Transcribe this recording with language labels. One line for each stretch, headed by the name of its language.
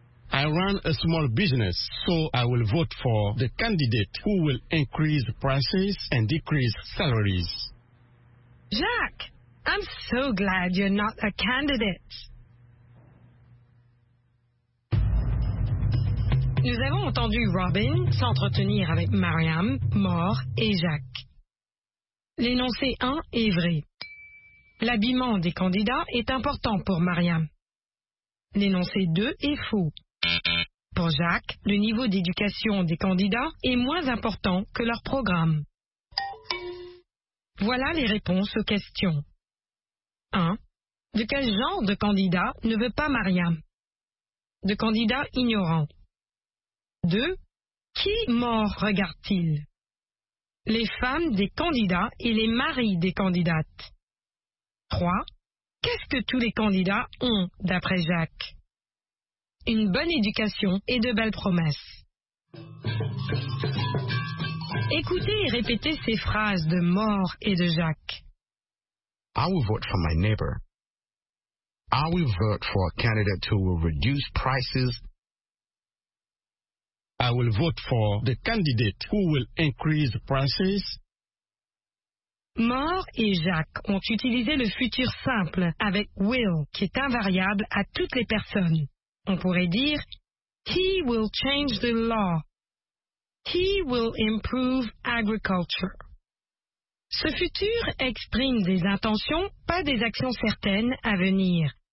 English: I run a small business, so I will vote for the candidate who will increase prices and decrease salaries. Jacques, I'm so glad you're not a candidate.
French: Nous avons entendu Robin s'entretenir avec Mariam, Mor et Jacques. L'énoncé 1 est vrai. L'habillement des candidats est important pour Mariam. L'énoncé 2 est faux. Pour Jacques, le niveau d'éducation des candidats est moins important que leur programme. Voilà les réponses aux questions. 1. De quel genre de candidat ne veut pas Mariam? De candidat ignorant. 2. Qui Mor regarde-t-il? Les femmes des candidats et les maris des candidates. 3. Qu'est-ce que tous les candidats ont, d'après Jacques? Une bonne éducation et de belles promesses. Écoutez et répétez ces phrases de Mor et de Jacques.
English: I will vote for my neighbor. I will vote for a candidate who will reduce prices. I will vote for the candidate who will increase prices.
French: Mor et Jacques ont utilisé le futur simple avec will, qui est invariable à toutes les personnes. On pourrait dire,
English: he will change the law. He will improve agriculture.
French: Ce futur exprime des intentions, pas des actions certaines à venir.